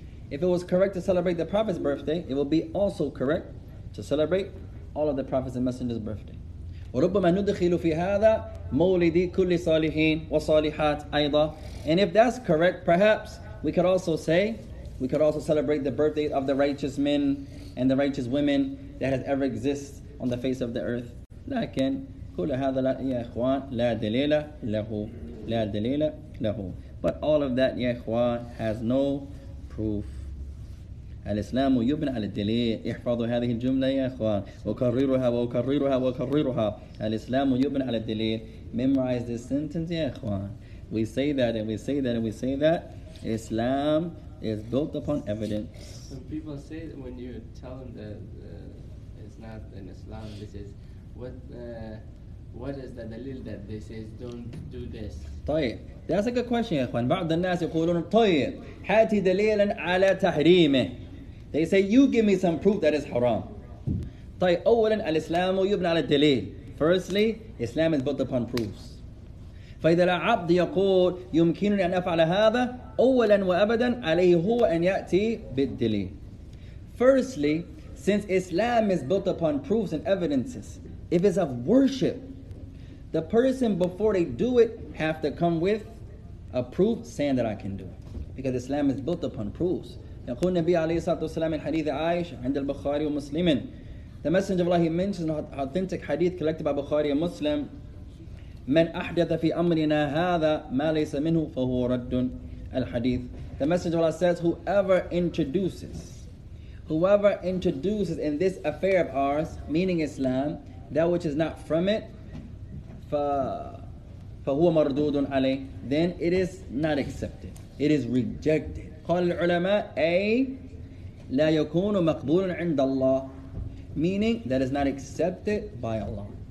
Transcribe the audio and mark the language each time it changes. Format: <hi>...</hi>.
<en>If it was correct to celebrate the Prophet's birthday, it will be also correct to celebrate all of the Prophet's and Messenger's birthday.</en> <ar>وَرُبَّمَا نُدْخِلُ فِي هَذَا مَوْلِدِ كُلِّ صَالِحِينَ وَصَالِحَاتِ أَيْضًا.</ar> <en>And if that's correct, perhaps we could also say, we could also celebrate the birthday of the righteous men and the righteous women that has ever existed on the face of the earth.</en> <ar>لكن كل هذا لا يا إخوان لا دليل له لا دليل له.</ar> <en>But all of that, يا إخوان, has no proof.</en> <ar>الإسلام يبنى على الدليل. احفظوا هذه الجملة يا إخوان. وكررها وكررها وكررها. الإسلام يبنى على الدليل.</ar> <en>Memorize this sentence, يا إخوان. We say that and we say that and we say that, Islam is built upon evidence. When people say, when you tell them that it's not in Islam, this is what is the dalil that they say is don't do this? طيب. That's a good question, ikhwan.</en> <ar>بعض الناس يقولون طيب هاتي دليلا على تحريمه.</ar> <en>They say, you give me some proof that is haram.</en> <ar>طيب أولا الإسلام يبنى على الدليل.</ar> <en>Firstly, Islam is built upon proofs.</en> <ar>فإذا العبد يقول يمكنني أن أفعل هذا أولا وأبدا عليه هو أن يأتي بالدليل.</ar> <en>Firstly, since Islam is built upon proofs and evidences, if it's of worship, the person before they do it have to come with a proof saying that I can do it. Because Islam is built upon proofs.</en> <ar>يقول النبي عليه الصلاة والسلام من حديث عائشة عند البخاري ومسلم.</ar> <en>The Messenger of Allah, he mentions an authentic hadith collected by Bukhari and Muslim.</en> <ar>من أحدث في أمرنا هذا ما ليس منه فهو رد الحديث.</ar> <en>The Messenger of Allah says, whoever introduces in this affair of ours, meaning Islam, that which is not from it,</en> <ar>فهو مردود عليه,</ar> <en>then it is not accepted. It is rejected.</en> <ar>قال العلماء, أي لا يكون مقبول عند الله,</ar> <en>meaning that is not accepted by Allah.</en>